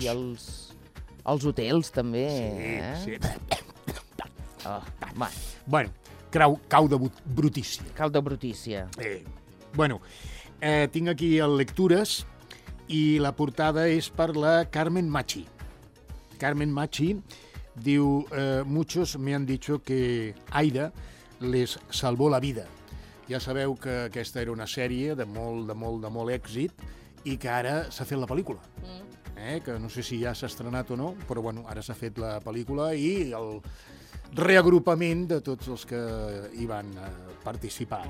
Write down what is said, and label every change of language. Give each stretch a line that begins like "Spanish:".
Catalan: I els hotels, també, sí, eh? Sí, sí. Bueno, cau de brutícia. Cau de brutícia. Bueno, tinc aquí el Lectures i la portada és per la Carmen Machi. Carmen Machi...
Spanish: Diu, muchos me han dicho que Aida les salvó la vida.
Catalan: Ja sabeu que aquesta era una sèrie de molt èxit i que ara s'ha fet la pel·lícula. Mm. que no sé si ja s'ha estrenat o no, però bueno, ara s'ha fet la pel·lícula i el reagrupament de tots els que hi van participar.